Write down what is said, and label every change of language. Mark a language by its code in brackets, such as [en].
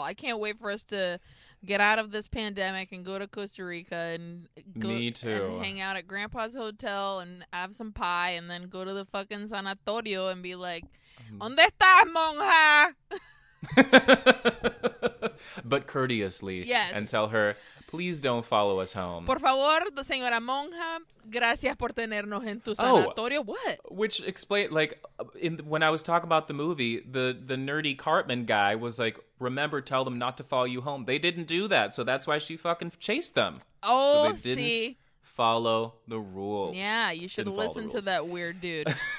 [en] I can't wait for us to get out of this pandemic and go to Costa Rica and go and hang out at Grandpa's hotel and have some pie and then go to the fucking sanatorio and be like, [es] ¿Dónde estás, monja? [en] But courteously. Yes. And tell her, please don't follow us home. [es] Por favor, señora monja, gracias por tenernos en tu sanatorio. [en] Oh, what? Which explain, like, when I was talking about the movie, the nerdy Cartman guy was like, remember, tell them not to follow you home. They didn't do that, so that's why she fucking chased them. Oh, so they didn't follow the rules. Yeah, you should listen to that weird dude.